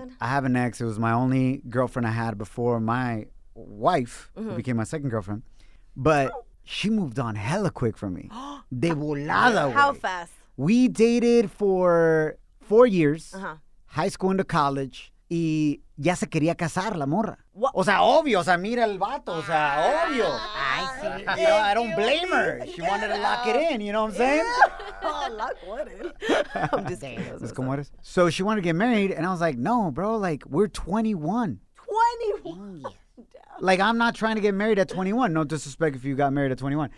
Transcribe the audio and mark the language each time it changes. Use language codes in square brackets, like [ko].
[en] Dude, I have an ex. It was my only girlfriend I had before my wife, mm-hmm. who became my second girlfriend. But she moved on hella quick for me. [es] De volada. [en] How fast? We dated for 4 years, uh-huh. high school into college. [es] Y ya se quería casar la morra. [en] What? [es] O sea, obvio. O sea, mira el vato. O sea, obvio. [en] I see. You know, I don't blame her. She wanted to lock it in. You know what I'm saying? Yeah. Oh, lock what in? I'm just saying. That's [es] como eres. [en] So she wanted to get married. And I was like, no, bro. Like, we're 21. 21? Like, I'm not trying to get married at 21. No disrespect if you got married at 21.